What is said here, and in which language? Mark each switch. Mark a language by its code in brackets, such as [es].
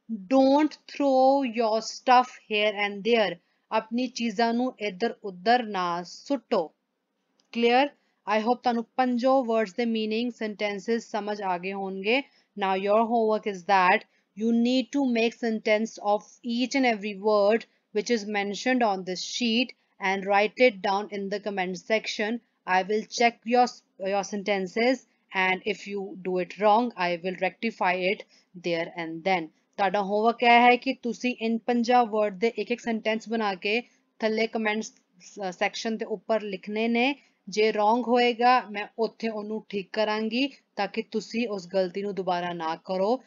[en] don't throw your stuff here and there, [pa] ਆਪਣੀ ਚੀਜ਼ਾਂ ਨੂੰ ਇੱਧਰ ਉੱਧਰ ਨਾ ਸੁੱਟੋ. [en] Clear? I hope [pa] ਤੁਹਾਨੂੰ ਪੰਜੋ ਵਰਡਸ ਦੇ ਮੀਨਿੰਗ ਸੈਂਟੈਂਸਿਸ ਸਮਝ ਆ ਗਏ ਹੋਣਗੇ. [en] Now your homework is that you need to make sentence of each and every word which is mentioned on this sheet and write it down in the comment section. I will check your sentences, and if you do it wrong, I will rectify it there and then. [pa] ਤੁਹਾਡਾ homework ਇਹ ਹੈ ਕਿ ਤੁਸੀਂ ਇਨ 50 word ਦੇ ਇੱਕ ਇੱਕ sentence ਬਣਾ ਕੇ ਥੱਲੇ ਕਮੈਂਟਸ ਸੈਕਸ਼ਨ ਦੇ ਉੱਪਰ ਲਿਖਨੇ ਨੇ। ਜੇ ਰੋਂਗ ਹੋਏਗਾ ਮੈਂ ਉੱਥੇ ਉਹਨੂੰ ਠੀਕ ਕਰਾਂਗੀ, ਤਾਂ ਕਿ ਤੁਸੀਂ ਉਸ ਗਲਤੀ ਨੂੰ ਦੁਬਾਰਾ ਨਾ ਕਰੋ।